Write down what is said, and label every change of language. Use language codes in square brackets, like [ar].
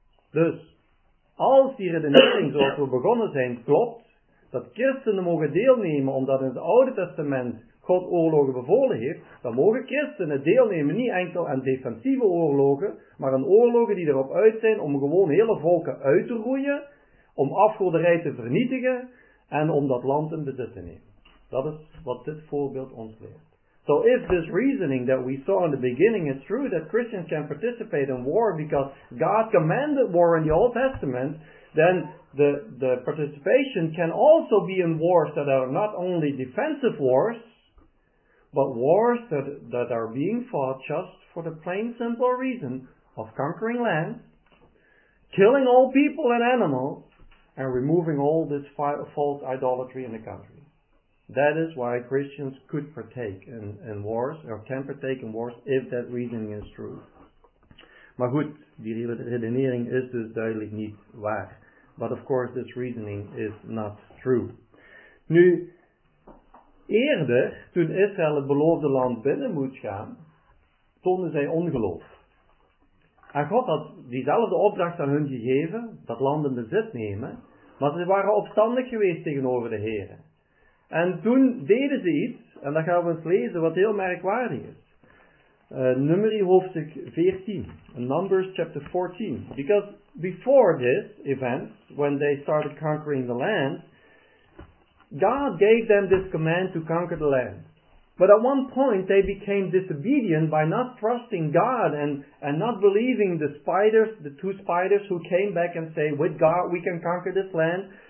[nl] Dus, als die redenering zoals we begonnen zijn klopt, dat christenen mogen deelnemen omdat in het Oude Testament God oorlogen bevolen heeft, dan mogen christenen deelnemen niet enkel aan defensieve oorlogen, maar aan oorlogen die erop uit zijn om gewoon hele volken uit te roeien, om afgoderij te vernietigen en om dat land in bezit te nemen. Dat is wat dit voorbeeld ons leert. [en] So if this reasoning that we saw in the beginning is true, that Christians can participate in war because God commanded war in the Old Testament, then the participation can also be in wars that are not only defensive wars, but wars that are being fought just for the plain simple reason of conquering land, killing all people and animals, and removing all this false idolatry in the country. That is why Christians could partake in wars, or can partake in wars, if that reasoning is true. [nl] Maar goed, die redenering is dus duidelijk niet waar. [en] But of course, this reasoning is not true. [nl] Nu, eerder, toen Israël het beloofde land binnen moest gaan, toonden zij ongeloof. En God had diezelfde opdracht aan hun gegeven, dat land in bezit nemen, maar ze waren opstandig geweest tegenover de Heere. En toen deden ze iets, en dat gaan we eens lezen, wat heel merkwaardig is. Numeri hoofdstuk 14. [en] Numbers chapter 14. Because before this event, when they started conquering the land, God gave them this command to conquer the land. But at one point, they became disobedient by not trusting God and not believing the spiders, the two spiders who came back and say, with God, we can conquer this land.